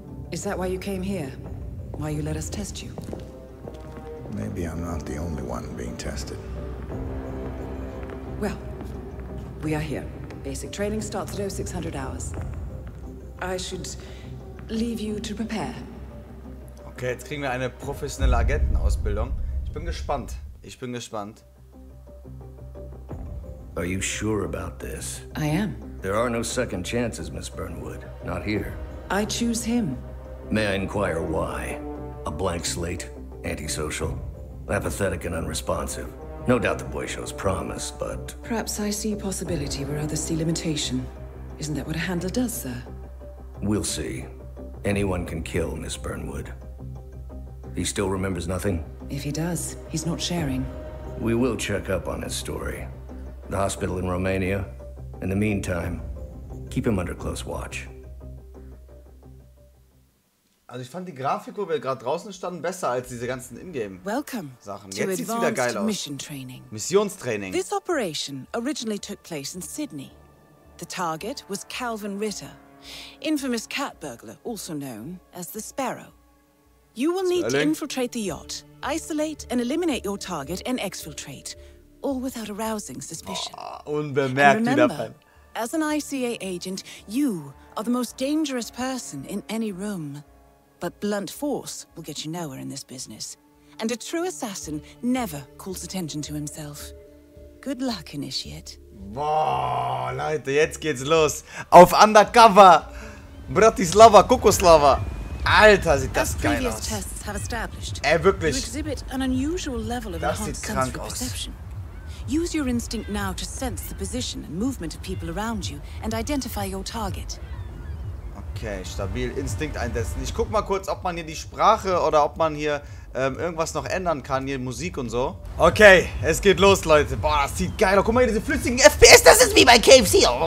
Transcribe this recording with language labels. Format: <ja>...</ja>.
<en>Is that why you came here? Why you let us test you? Maybe I'm not the only one being tested. Well, we are here. Basic training starts at 0600 hours. I should leave you to prepare.</en> <de>Okay, jetzt kriegen wir eine professionelle Agentenausbildung. Ich bin gespannt. Ich bin gespannt.</de> <en>Are you sure about this? I am. There are no second chances, Miss Burnwood. Not here. I choose him. May I inquire why? A blank slate? Antisocial? Apathetic and unresponsive? No doubt the boy shows promise, but... Perhaps I see possibility where others see limitation. Isn't that what a handler does, sir? We'll see. Anyone can kill Miss Burnwood. He still remembers nothing? If he does, he's not sharing. We will check up on his story. The hospital in Romania. In the meantime, keep him under close watch.</en> <de>Also ich fand die Grafik, wo wir gerade draußen standen, besser als diese ganzen Ingame-Sachen. Jetzt sieht's wieder geil aus. Missionstraining.</de> <en>This operation originally took place in Sydney. The target was Calvin Ritter, infamous cat burglar, also known as the Sparrow. You will need to infiltrate the yacht, isolate and eliminate your target and exfiltrate. All without arousing suspicion.</en> <de>Oh, unbemerkt.</de> <en>And remember, as an ICA agent, you are the most dangerous person in any room. But blunt force will get you nowhere in this business. And a true assassin never calls attention to himself. Good luck, Initiate.</en> <de>Boah, Leute, jetzt geht's los. Auf Undercover! Bratislava, Kokoslava! Alter, sieht das geil aus.</de> <en>Tests have established,</en> <de>ey, wirklich.</de> <en>You exhibit an unusual level of enhanced sense for perception. Use your instinct now to sense the position and movement of people around you and identify your target.</en> <de>Okay, stabil, Instinkt einsetzen. Ich guck mal kurz, ob man hier die Sprache oder ob man hier irgendwas noch ändern kann, hier Musik und so. Okay, es geht los, Leute. Boah, das sieht geil aus. Guck mal hier, diese flüssigen FPS, das ist wie bei KFC.</de>